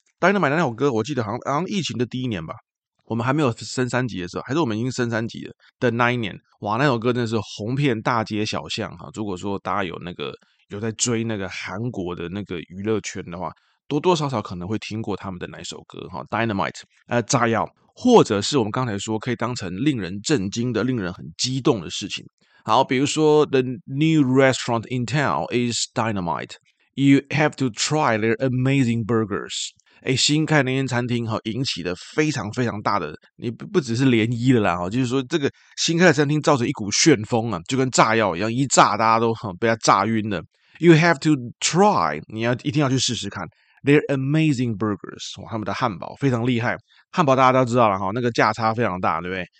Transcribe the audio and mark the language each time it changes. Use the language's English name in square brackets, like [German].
[Chinese] Dynamite 那首歌我记得好像疫情的第一年吧，我们还没有升三级的时候，还是我们已经升三级了的那一年，哇，那首歌真的是红遍大街小巷哈。如果说大家有在追那个韩国的那个娱乐圈的话，多多少少可能会听过他们的那首歌哈 ，Dynamite， 炸药，或者是我们刚才说可以当成令人震惊的、令人很激动的事情。好，比如说 [English] The new restaurant in town is dynamite. You have to try their amazing burgers. [Chinese] 新开那间餐厅哈，引起的非常非常大的，你不只是涟漪了啦哈，就是说这个新开的餐厅造成一股旋风啊，就跟炸药一样，一炸大家都被它炸晕了。 [English] You have to try， [Chinese] 你要一定要去试试看。 [English] They're amazing burgers， [Chinese] 哇，他们的汉堡非常厉害，汉堡大家都知道了哈，那个价差非常大，对不对？